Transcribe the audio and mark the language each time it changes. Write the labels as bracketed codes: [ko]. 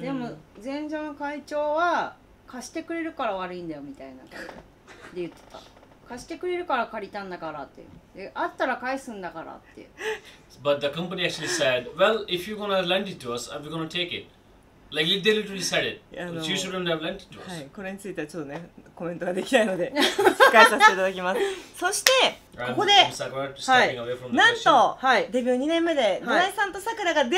[ja] でも前者の会長は貸してくれるから悪いんだよみたいなで言ってた。貸してくれるから借りたんだからって、であったら返すんだからって。 [en] But the company actually said, well, if you're gonna lend it to us, we're gonna take it. Like they literally said it. But you shouldn't have lent it to us. [ja] はい、これについてはちょっとね、コメントができないので控えさせていただきます。そしてここで、はい、なんと、はい、デビュー2年目で、はい、ドライさんとさくらが出会